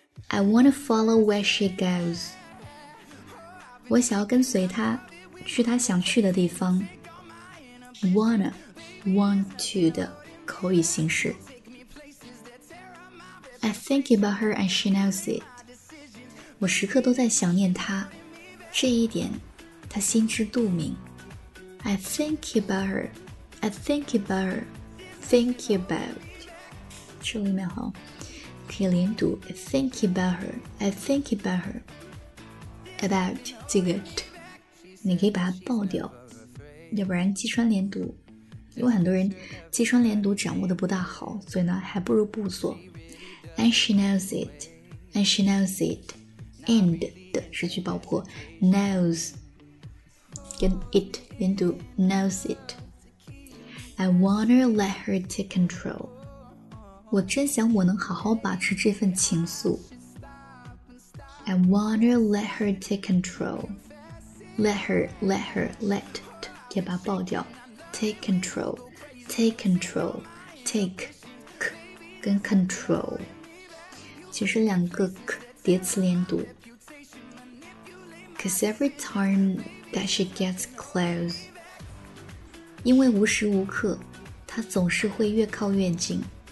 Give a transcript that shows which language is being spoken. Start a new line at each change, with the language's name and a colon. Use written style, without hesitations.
English: I wanna follow where she goes.
Chinese: 我想要跟随她，去她想去的地方。
English: Wanna, want to
Chinese: 的口语形式。
English: I think about her and she knows it.
Chinese: 我时刻都在想念她，这一点她心知肚明。
English: I think about her, I think about her, think about.
Chinese: 这里面好。可以连读
English: I think about her,
Chinese: I think about her, about 这个 t, 你可以把它爆掉，要不然击穿连读，因为很多人击穿连读掌握的不大好，所以呢还不如不做。
English: And she knows it, and she knows it, and
Chinese: 的失去爆破
English: knows 跟 it
Chinese: 连读
English: knows it. I wanna let her take control.
Chinese: 我真想我能好好把持这份情愫。
English: I wanna let her take control. Let her, let her, let,
Chinese: 也把爆掉。
English: Take control, take control, take, k, 跟 control.
Chinese: 其实两个 k, 叠词连读。
English: Cause every time that she gets close.
Chinese: 因为无时无刻她总是会越靠越近。